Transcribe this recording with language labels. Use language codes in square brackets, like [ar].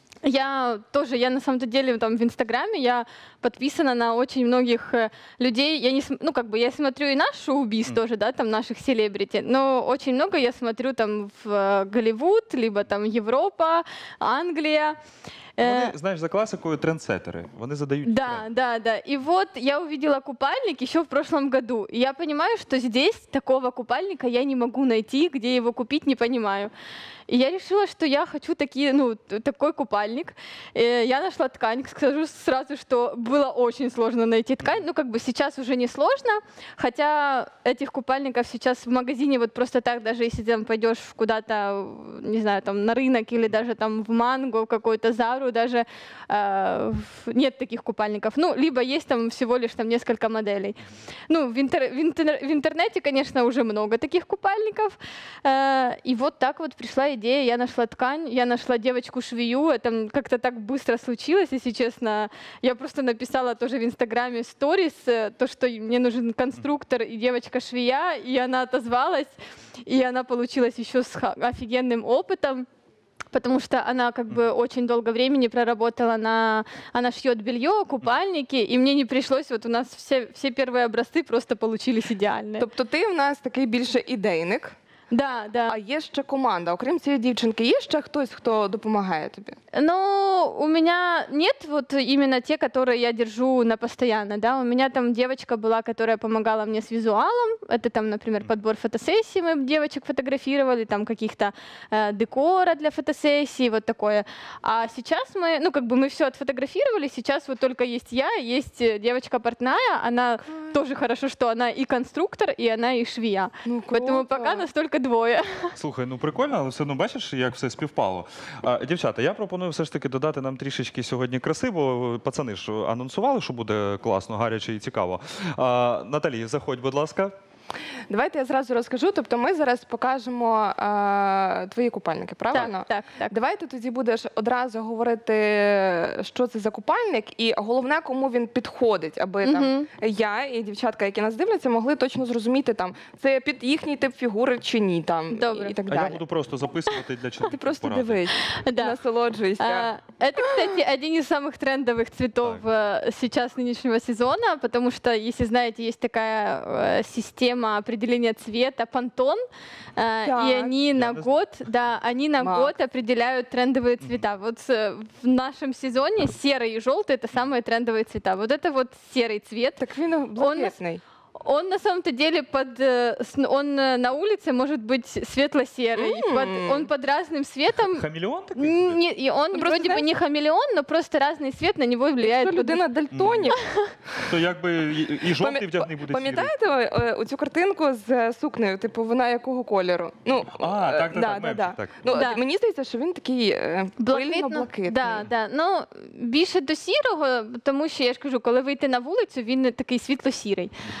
[ru] Я тоже, я на самом-то деле там в Инстаграме, я подписана на очень многих людей. Я не, ну, как бы, я смотрю и наш шоу-биз тоже, да, там наших селебрити, но очень много я смотрю там в Голливуд, либо там Европа, Англия. [uk] Вони, знаєш, за класикою трендсеттери. Вони задають. [ru] Да, тебе. Да, да. [uk] І от я [ru] увидела [uk] купальник ще [ru] в прошлом году. [uk] І я розумію, що тут такого купальника я не можу знайти, де його купити, не розумію. І я вирішила, що я хочу такі, ну, такий купальник. Я знайшла ткань. [ru] Скажу сразу, [uk] що було дуже складно знайти ткань. Ну, як би, зараз вже не складно. Хоча цих купальників зараз в магазині от просто так, навіть якщо там підеш куди-то, не знаю, там, на ринок, або навіть там в Манго, в якийсь зал, [ru] даже нет таких купальников. Ну, либо есть там всего лишь там несколько моделей. Ну, в интернете, конечно, уже много таких купальников. И вот так вот пришла идея. Я нашла ткань, я нашла девочку-швею. Это как-то так быстро случилось, если честно. Я просто написала тоже в Инстаграме сторис, то, что мне нужен конструктор и девочка-швея. И она отозвалась. И она получилась еще с офигенным опытом. Потому что она как бы очень долго времени проработала на... Она шьет белье, купальники, и мне не пришлось... Вот у нас все первые образцы просто получились идеальные. [uk] Тобто ты у нас такий більше ідейник. [ru] Да, да. [uk] А є ще команда, окрім цієї дівчинки, є ще хтось, хто допомагає тобі? [ru] Ну, [uk] у мене [ru] нет вот именно те, которые я держу на постоянно, да. У мене там девочка была, которая помогала мне с визуалом. Это там, например, подбор фотосессий, мы девочек фотографировали, там каких-то декора для фотосессий, вот такое. А сейчас мы, ну, как бы мы все отфотографировали, сейчас вот только есть я, есть девочка портная, она тоже хорошо, что она и конструктор, и она и швея. Ну, круто. Поэтому пока настолько [uk] тільки двоє. Слухай, ну прикольно, але все одно бачиш, як все співпало. Дівчата, я пропоную все ж таки додати нам трішечки сьогодні краси, бо пацани ж анонсували, що буде класно, гаряче і цікаво. Наталі, заходь, будь ласка. Давайте я зразу розкажу. Тобто ми зараз покажемо твої купальники, правильно? Так, так, так. Давайте тоді будеш одразу говорити, що це за купальник, і головне, кому він підходить, аби там я і дівчатка, які нас дивляться, могли точно зрозуміти, там, це під їхній тип фігури чи ні. Там, добре. І так далі. А я буду просто записувати для чоловіка. Ти просто дивись, насолоджуйся. Це, кстати, один із самих трендових цвітів зараз нинішнього сезону, тому що, якщо знаєте, є така система, [ru] тема определения цвета [uk] Pantone, [ru] и они на год, да, они на год определяют трендовые цвета. Вот в нашем сезоне серый и желтый — это самые трендовые цвета. Вот это вот серый цвет. Так он блакитный. Он на самом-то деле он на улице может быть светло-серый. Он под разным светом. Хамелеон такой? Нет, и он вроде бы не хамелеон, но просто разный свет на него влияет. Что, [uk] людина [ru] дальтоник? [uk] То як би і жовтий вдягний буде сірий. Пам'ятаєте оцю картинку з сукнею? Типу, вона якого кольору? Ну, а, так. [ru] Ну, да. [uk] Мені здається, що він такий пильно-блакитний. [ru] Да, да. [uk] Ну, більше до сірого, тому що, я ж кажу, коли вийти на вулицю, він такий світло-сірий.